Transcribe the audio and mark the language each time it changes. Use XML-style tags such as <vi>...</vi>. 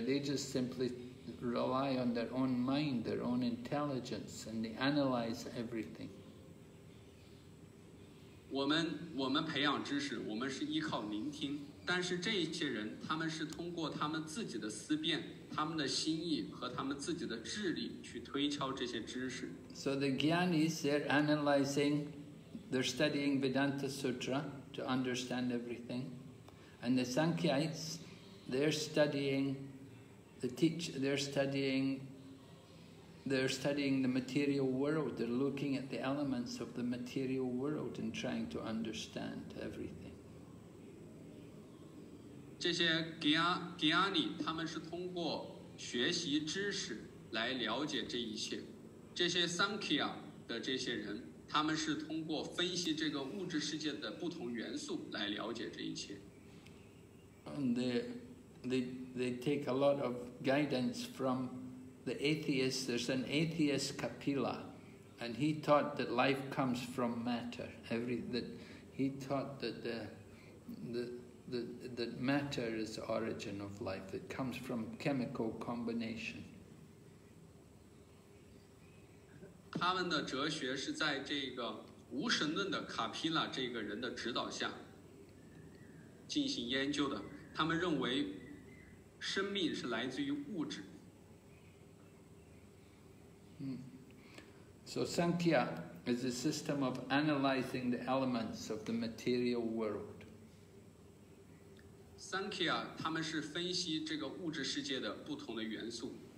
<en>They just simply rely on their own mind, their own intelligence, and they analyze everything.</en> <zh>我们培养知识，我们是依靠聆听，但是这些人他们是通过他们自己的思辨，他们的心意和他们自己的智力去推敲这些知识。</zh> <en>So the Gyanis, they're analyzing, they're studying Vedanta Sutra to understand everything, and the Sankhyites, they're studying the material world, they're looking at the elements of the material world and trying to understand everything.</en> <zh>这些 Gyani, 他们是通过学习知识来了解这一切。这些 Sankhya 的这些人，他们是通过分析这个物质世界的不同元素来了解这一切。</zh> <en>And they take a lot of guidance fromThe atheist, there's an atheist Kapila, and he taught that life comes from matter. He taught that matter is the origin of life. It comes from chemical combination.</en> <zh>他们的哲学是在这个无神论的卡皮拉这个人的指导下进行研究的。他们认为生命是来自于物质。</zh> <en>So Sankhya is a system of analyzing the elements of the material world.</en> <zh>Sankhya, 他们是分析这个物质世界的不同的元素。</zh>